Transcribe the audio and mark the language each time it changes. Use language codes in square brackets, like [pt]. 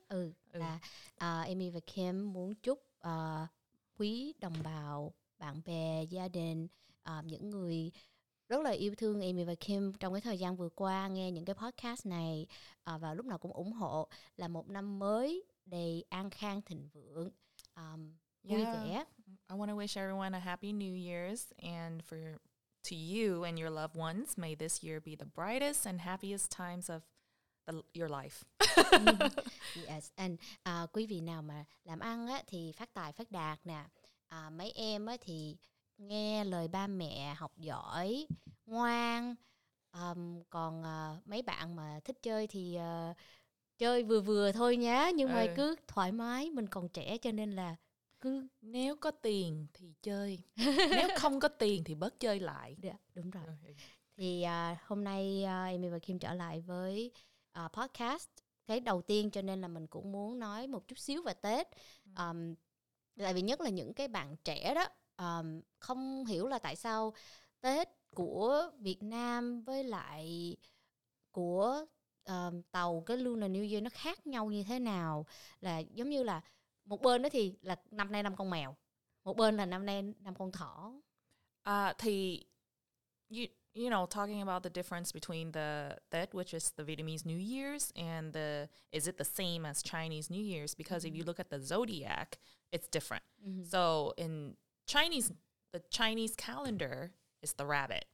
[vi] Ừ, là Amy và Kim muốn chúc quý đồng bào, bạn bè, gia đình, những người rất là yêu thương Amy và Kim trong cái thời gian vừa qua nghe những cái podcast này và lúc nào cũng ủng hộ là một năm mới đầy an khang thịnh vượng, vui vẻ. [en] I want to wish everyone a happy New Year's and for to you and your loved ones, may this year be the brightest and happiest times of your life. [vi] Yes, and quý vị nào mà làm ăn á thì phát tài phát đạt nè. Mấy em á thì nghe lời ba mẹ, học giỏi, ngoan. Còn mấy bạn mà thích chơi thì chơi vừa vừa thôi nhá. Nhưng mà cứ thoải mái, mình còn trẻ cho nên là cứ... Nếu có tiền thì chơi. Nếu không có tiền thì bớt chơi lại. Đúng rồi. Thì hôm nay Amy và Kim trở lại với podcast. Cái đầu tiên cho nên là mình cũng muốn nói một chút xíu về Tết. Tại vì nhất là những cái bạn trẻ đó. Không hiểu là tại sao Tết của Việt Nam với lại của Tàu, cái Lunar New Year nó khác nhau như thế nào. Là giống như là một bên đó thì là năm nay năm con mèo, một bên là năm nay năm con thỏ. [en] Thì you know, talking about the difference between the Tết, which is the Vietnamese New Year's, and the, is it the same as Chinese New Year's? Because if you look at the zodiac, it's different. So in Chinese, the Chinese calendar is the rabbit.